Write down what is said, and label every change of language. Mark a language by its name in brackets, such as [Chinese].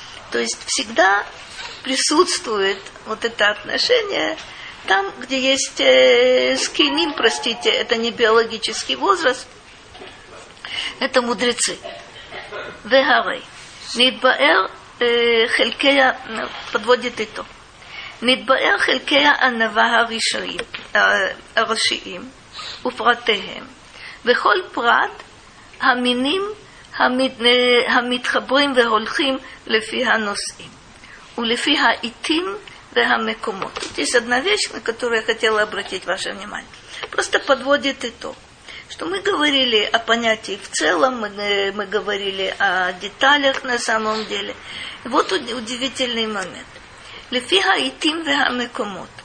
[Russian] То есть всегда присутствует вот это отношение там, где есть скиним, простите, это не биологический возраст, это мудрецы. «Вегарей». [Hebrew] «Нидбаэр хелькея» [Russian] подводит итог. [Hebrew] «Нидбаэр хелькея анаваха рашиим». ופרטיהם, וכל פרט המינים המתחברים והולכים לפי הנושאים, ולפי העיתים והמקומות. [Russian] Здесь одна вещь, на которую я хотела обратить ваше внимание. Просто подводит итог, что мы говорили о понятии в целом, мы говорили о деталях на самом деле. Вот удивительный момент. [Hebrew] לפי העיתים והמקומות.